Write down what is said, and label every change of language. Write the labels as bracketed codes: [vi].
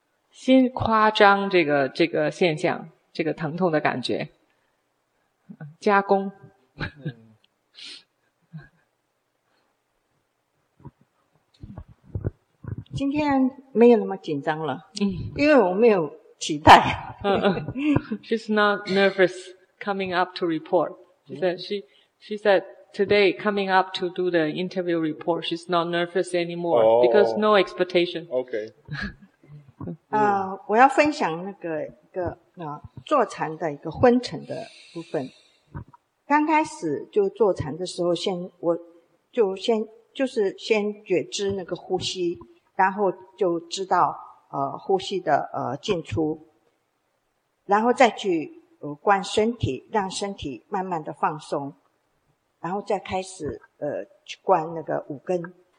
[zh] 心夸张这个现象，这个疼痛的感觉，加工。今天没有那么紧张了，因为我没有期待。 [en] She's not nervous coming up to report. She said today coming up to do the interview report, she's not nervous anymore because no expectation. Okay. [zh] 我要分享那个坐禅的一个昏沉的部分。刚开始就坐禅的时候，先觉知那个呼吸，然后就知道呼吸的进出，然后再去观身体，让身体慢慢的放松，然后再开始去观那个五根。